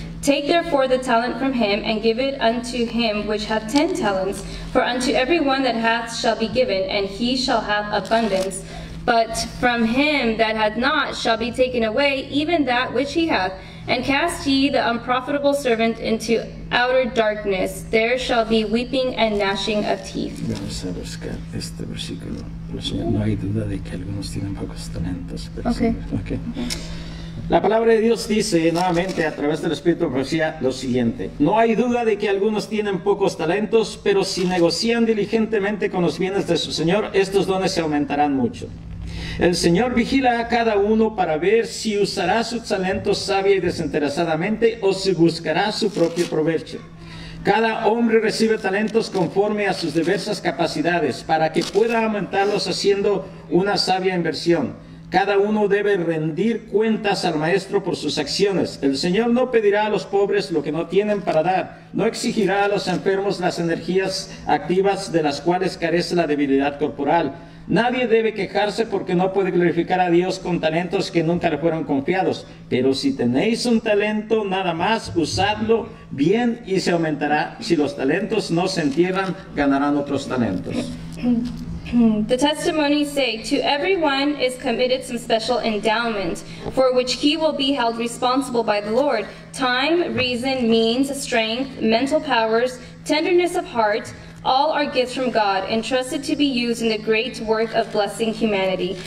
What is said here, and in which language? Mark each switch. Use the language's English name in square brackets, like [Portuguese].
[English] Take therefore the talent from him, and give it unto him which hath 10 talents, for unto every one that hath shall be given, and he shall have abundance. But from him that hath not shall be taken away even that which he hath. And cast ye the unprofitable servant into outer darkness. There shall be weeping and gnashing of teeth. [Spanish] Vamos a buscar este versículo. No hay duda de que algunos tienen pocos talentos. Okay. La palabra de Dios dice nuevamente a través del Espíritu de Profecía lo siguiente. No hay duda de que algunos tienen pocos talentos, pero si negocian diligentemente con los bienes de su Señor, estos dones se aumentarán mucho. El Señor vigila a cada uno para ver si usará su talento sabia y desinteresadamente o si buscará su propio provecho. Cada hombre recibe talentos conforme a sus diversas capacidades para que pueda aumentarlos haciendo una sabia inversión. Cada uno debe rendir cuentas al maestro por sus acciones. El Señor no pedirá a los pobres lo que no tienen para dar. No exigirá a los enfermos las energías activas de las cuales carece la debilidad corporal. Nadie debe quejarse porque no puede glorificar a Dios con talentos que nunca le fueron confiados. Pero si tenéis un talento nada más, usadlo bien y se aumentará. Si los talentos no se entierran, ganarán otros talentos. [English] The testimonies say, to everyone is committed some special endowment, for which he will be held responsible by the Lord. Time, reason, means, strength, mental powers, tenderness of heart, all are gifts from God, entrusted to be used in the great work of blessing humanity.